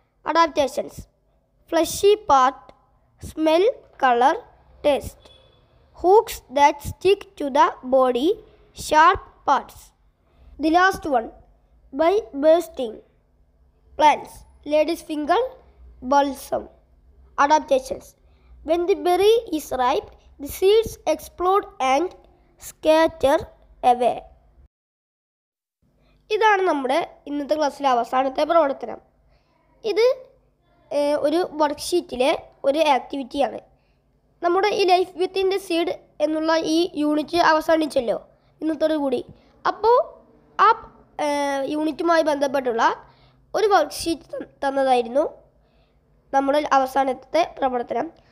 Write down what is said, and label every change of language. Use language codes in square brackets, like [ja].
[en] Adaptations: fleshy part, smell, colour, taste. Hooks that stick to the body, sharp parts. The last one, by bursting. Plants: ladies finger, balsam. adaptations. When the berry is ripe, the seeds explode and scatter away. [ml] ഇതാണ് നമ്മുടെ ഇന്നത്തെ ക്ലാസ്സിലെ അവസാനത്തെ പ്രവർത്തനം. ഇത് ഒരു വർക്ക്ഷീറ്റിലെ ഒരു ആക്ടിവിറ്റിയാണ്. നമ്മുടെ ഈ ലൈഫ് വിത്തിൻ ദ സീഡ് എന്നുള്ള ഈ യൂണിറ്റ് അവസാനിച്ചല്ലോ ഇന്നത്തോടു കൂടി. അപ്പോൾ ആ യൂണിറ്റുമായി ബന്ധപ്പെട്ടുള്ള ഒരു വർക്ക്ഷീറ്റ് തന്നതായിരുന്നു നമ്മുടെ അവസാനത്തെ പ്രവർത്തനം.